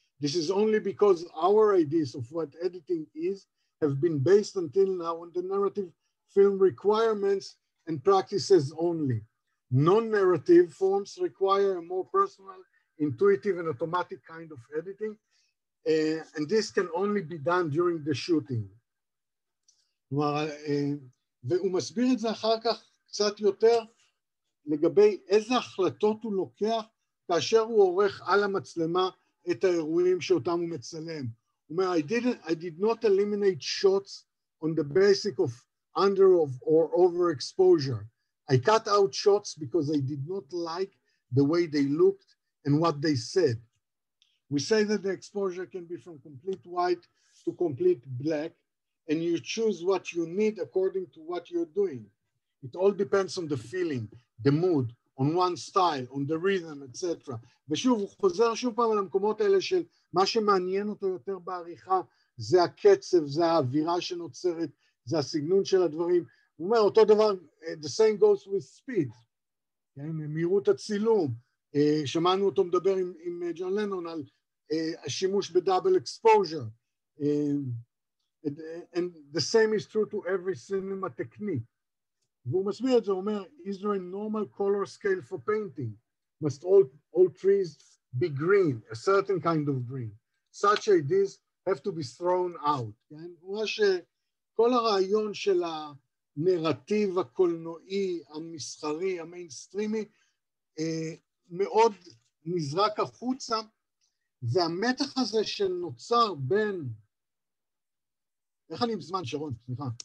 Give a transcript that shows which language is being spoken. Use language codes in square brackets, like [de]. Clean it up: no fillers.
[en] This is only because our ideas of what editing is have been based until now on the narrative film requirements and practices only. Non-narrative forms require a more personal, intuitive and automatic kind of editing, and this can only be done during the shooting. [he] כלומר, והוא מסביר את זה אחר כך קצת יותר לגבי איזה החלטות הוא לוקח כאשר הוא עורך על המצלמה את האירועים שאותם הוא מצלם. הוא אומר, [en] I did not eliminate shots on the basis of under or overexposure. I cut out shots because I did not like the way they looked and what they said. We say that the exposure can be from complete white to complete black, and you choose what you need according to what you're doing. It all depends on the feeling, the mood, on one style, on the rhythm, etc. [he] ושוב, הוא חוזר שוב פעם על המקומות האלה של מה שמעניין אותו יותר בעריכה, זה הקצב, זה האווירה שנוצרת, זה הסגנון של הדברים. הוא אומר, אותו דבר, [en] the same goes with speed, [he] כן? מהירות הצילום. שמענו אותו מדבר עם ג'ון לנון על השימוש בדאבל אקספוז'ר. [en] And the same is true to every cinema technique. [he] והוא מסביר את זה, הוא אומר, [en] is there a normal color scale for painting? Must all trees be green, a certain kind of green. Such ideas have to be thrown out. [he] מה שכל הרעיון של הנרטיב הקולנועי, המסחרי, המיינסטרימי, מאוד נזרק החוצה, והמתח הזה שנוצר בין, איך אני בזמן שרון, סליחה.